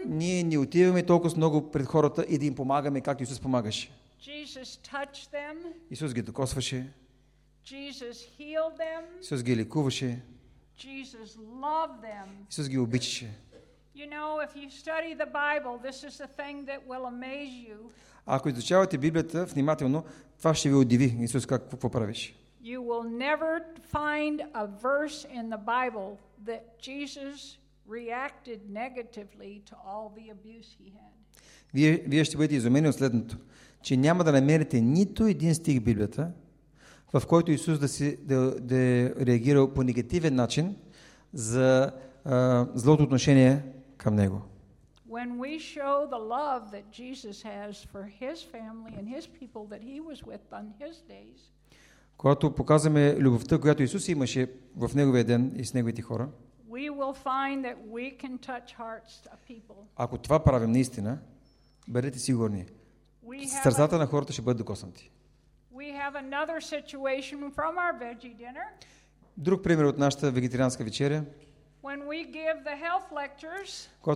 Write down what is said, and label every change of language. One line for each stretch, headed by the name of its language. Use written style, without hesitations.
Bulgarian: Ние не отиваме толкова много пред хората и да им помагаме както Исус помагаше.
English: Jesus touched them.
Bulgarian: Исус ги докосваше.
English: Jesus healed them.
Bulgarian: Исус ги лекуваше.
English: Jesus loved them.
Bulgarian: Исус ги обичаше.
English: You know, if you study the Bible, this is a thing that will amaze you.
Bulgarian: Ако изучавате Библията внимателно, това ще ви удиви. Исус какво правеше?
English: You will never find a verse in the Bible that Jesus reacted negatively to all the abuse he had.
Bulgarian: Вие ще бъдете изумени от следното, че няма да намерите нито един стих в Библията, в който Исус да е реагирал по негативен начин за злото отношение към него.
English: When we show the love that Jesus has for his family and his people that he was with on his days,
Bulgarian: когато показваме любовта, която Исус имаше в неговия ден и с неговите хора,
English: we will find that we can touch hearts of people.
Bulgarian: Ако това правим наистина, бъдете сигурни, сърцата на хората ще бъдат докоснати.
English: We have another situation from our veggie dinner.
Bulgarian: Друг пример от нашата вегетарианска вечеря.
English: When we give the health lectures,